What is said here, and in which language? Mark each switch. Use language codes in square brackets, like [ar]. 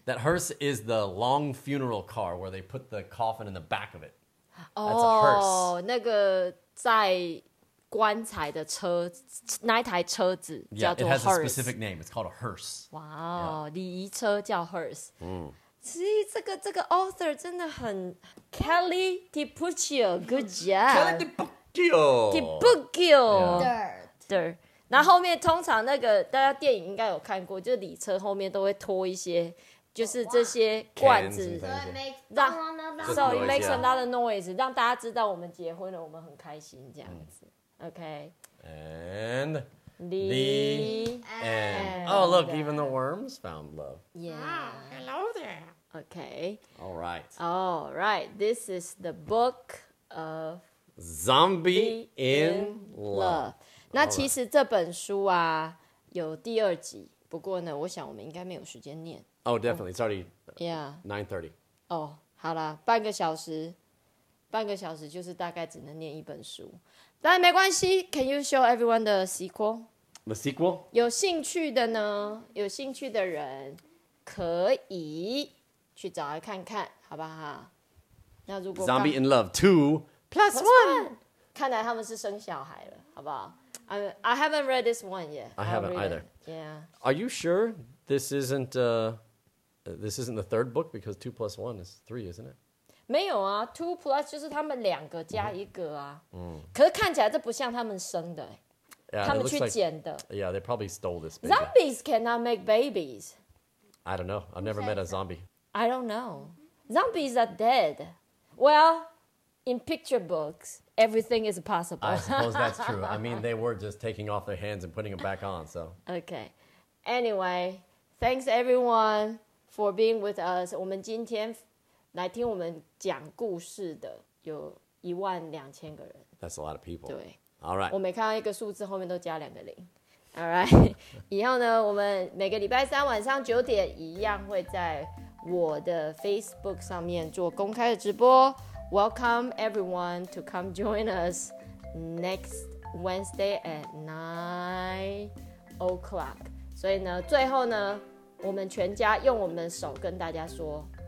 [en] ？That hearse is the long funeral car where they put the coffin in the back of it. That's a hearse. [zh] 那个在棺材的车，那一台车子叫做 hearse. [en] Yeah, it has a specific name. It's called a hearse. [zh] Wow, 礼仪车叫 hearse. 嗯，其实这个 author 真的很 Kelly DiPuccio, good job. [en] Kelly DiPuccio. DiPuccio. Dirt. Dirt. [zh] 然后后面通常那个大家电影应该有看过，就是礼车后面都会拖一些就是这些罐子，让 so it makes another noise，让大家知道我们结婚了，我们很开心这样子。 [en] OK。 And the end. Oh, look, even the worms found love. Yeah. Wow, hello there. Okay. All right. All right. This is the book of Zombie in Love. [zh] 那其实这本书啊有第二集，不过呢，我想我们应该没有时间念。 [en] Oh, definitely. It's already Yeah. 9:30. [zh] Oh, 好啦，半个小时，半个小时就是大概只能念一本书。 [en] 但没关系，Can you show everyone the sequel? The sequel? [zh] 有兴趣的呢，有兴趣的人可以去找来看看，好不好？那如果 [en] Zombie in Love 2+1， [zh] 看来他们是生小孩了，好不好？ [en] I haven't read this one yet. I haven't either. Yeah. Are you sure this isn't the third book because 2+1 is 3, isn't it? [zh] 没有啊 ， two plus 就是他们两个加一个啊。嗯。可是看起来这不像他们生的、欸， [en] yeah, [zh] 他们去捡的。 [en] Like, yeah, they probably stole this.、Baby. Zombies cannot make babies. I don't know. I've never met a zombie. I don't know. Zombies are dead. Well, in picture books, everything is possible. I suppose that's true. I mean, they were just taking off their hands and putting them back on. So. Okay. Anyway, thanks everyone for being with us. [zh] 我们今天。来听我们讲故事的有12000个人。 [en] That's a lot of people. [zh] 对 [en] ，All right. [zh] 我每看到一个数字后面都加两个零。 [en] All right. [zh] 以后呢，我们每个礼拜三晚上9点一样会在我的 Facebook 上面做公开的直播。 [en] Welcome everyone to come join us next Wednesday at 9:00. [zh] 所以呢，最后呢，我们全家用我们的手跟大家说。